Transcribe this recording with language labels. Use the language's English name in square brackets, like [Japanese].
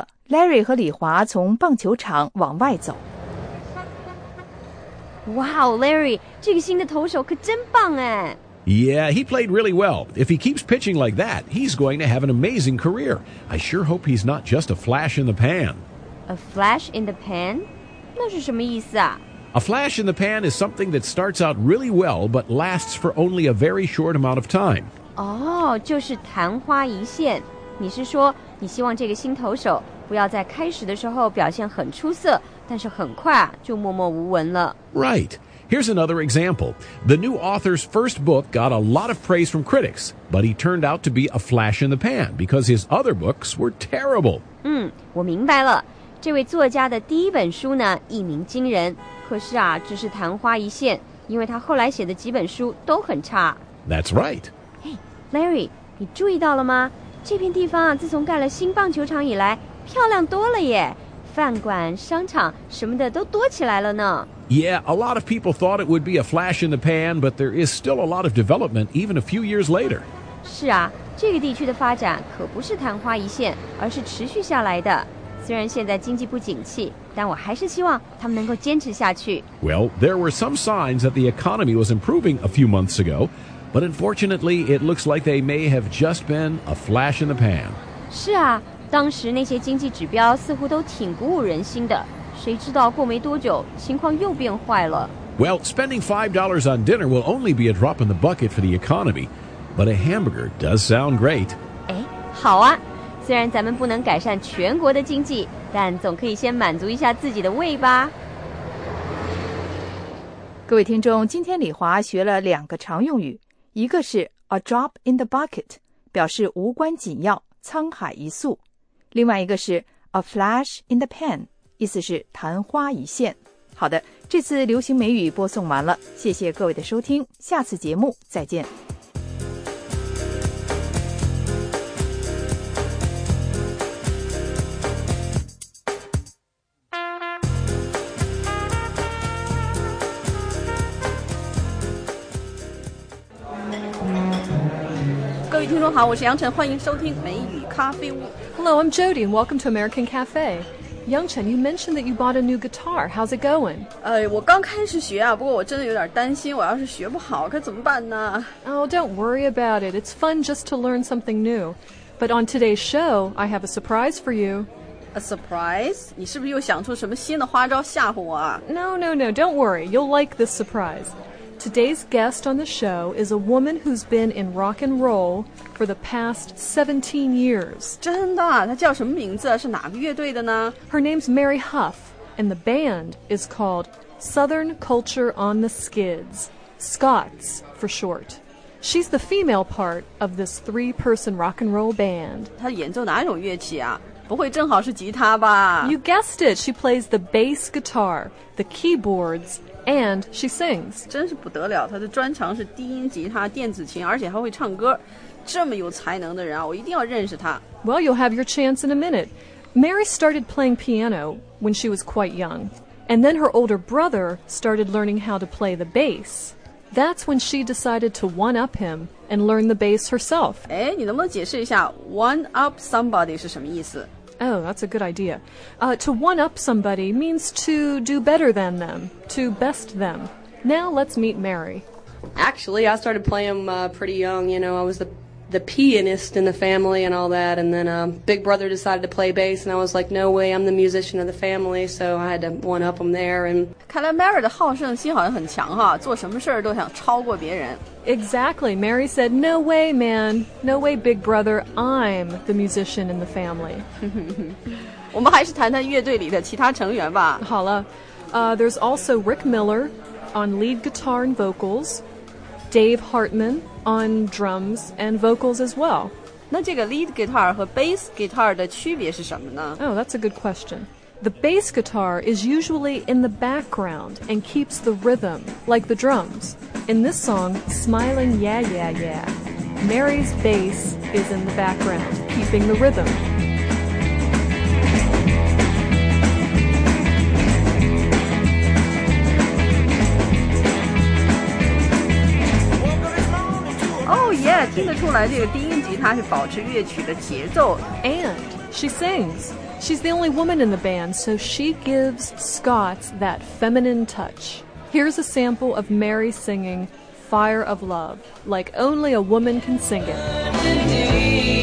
[Chinese] Larry 和李华从棒球场往外走。 Wow, Larry, 这个新的投手可真棒哎。 [English] Yeah, he played really well. If he keeps pitching like that, he's going to have an amazing career. I sure hope he's not just a flash in the pan. A flash in the pan? [Chinese] 那是什么意思啊? [English] A flash in the pan is something that starts out really well, but lasts for only a very short amount of time. [Chinese] Oh, 就是昙花一现。你是说你希望这个新投手不要在开始的时候表现很出色，但是很快就默默无闻了。 [English] Right. Here's another example. The new author's first book got a lot of praise from critics, but he turned out to be a flash in the pan because his other books were terrible. [Chinese] 嗯，我明白了。这位作家的第一本书呢，一鸣惊人，可是啊，只是昙花一现，因为他后来写的几本书都很差。 [English] That's right. [Chinese] Hey, Larry, 你注意到了吗？这片地方啊，自从盖了新棒球场以来，漂亮多了耶，饭馆、商场什么的都多起来了呢。 [English] Yeah, a lot of people thought it would be a flash in the pan, but there is still a lot of development even a few years later. [Chinese] 是啊，这个地区的发展可不是昙花一现，而是持续下来的。虽然现在经济不景气，但我还是希望他们能够坚持下去。 [English] Well, there were some signs that the economy was improving a few months ago, but unfortunately, it looks like they may have just been a flash in the pan. [Chinese] 是啊，当时那些经济指标似乎都挺鼓舞人心的。谁知道过没多久，情况又变坏了。 [English] Well, spending $5 on dinner will only be a drop in the bucket for the economy, but a hamburger does sound great. [Chinese] 哎，好啊！虽然咱们不能改善全国的经济，但总可以先满足一下自己的胃吧。各位听众，今天李华学了两个常用语，一个是 [English] a drop in the bucket， [Chinese] 表示无关紧要，沧海一粟；另外一个是 [English] a flash in the pan。 [Chinese] 意思是昙花一现。好的，这次流行美语播送完了，谢谢各位的收听，下次节目再见。各位听众好，我是杨晨，欢迎收听美语咖啡屋。 [English] Hello, I'm Jody, and welcome to American Cafe. Yang Chen, you mentioned that you bought a new guitar. How's it going? [Chinese] 我刚开始学啊，不过我真的有点担心，我要是学不好，该怎么办呢？ [English] Oh, don't worry about it. It's fun just to learn something new. But on today's show, I have a surprise for you. A surprise? [Chinese] 你是不是又想出什么新的花招吓唬我啊？ [English] No, don't worry. You'll like this surprise. Today's guest on the show is a woman who's been in rock and roll for the past 17 years. [Chinese] 真的？她叫什么名字？是哪个乐队的呢？ [English] Her name's Mary Huff, and the band is called Southern Culture on the Skids, Scots for short. She's the female part of this three-person rock and roll band. [Chinese] 她演奏哪种乐器啊？不会正好是吉他吧？ [English] You guessed it. She plays the bass guitar, the keyboards,And she sings. [Chinese] 真是不得了，她的专长是低音吉他、电子琴，而且还会唱歌。这么有才能的人啊，我一定要认识她。 [English] Well, you'll have your chance in a minute. Mary started playing piano when she was quite young. And then her older brother started learning how to play the bass. That's when she decided to one-up him and learn the bass herself. 哎，你能不能解释一下 one-up somebody 是什么意思？ Oh, that's a good idea. To one-up somebody means to do better than them, to best them. Now let's meet Mary. Actually, I started playing pretty young. You know, I was the pianist in the family and all that. And then big brother decided to play bass. And I was like, no way, I'm the musician of the family. So I had to one-up him there. And [Chinese] 看来 Mary 的好胜心好像很强哈，做什么事都想超过别人。 [English] Exactly. Mary said, no way, man. No way, big brother. I'm the musician in the family. [Chinese] 我们还是谈谈乐队里的其他成员吧。好了 [English] there's also Rick Miller on lead guitar and vocals, Dave Hartman on drums and vocals as well. [Chinese] 那这个 lead guitar 和 bass guitar 的区别是什么呢？ [English] Oh, that's a good question. The bass guitar is usually in the background and keeps the rhythm, like the drums. In this song, Smiling Yeah Yeah Yeah, Mary's bass is in the background, keeping the rhythm. Oh yeah, [Chinese] 听得出来这个低音吉他是保持乐曲的节奏。 [English] And she sings. She's the only woman in the band, so she gives Scott's that feminine touch. Here's a sample of Mary singing Fire of Love, like only a woman can sing it.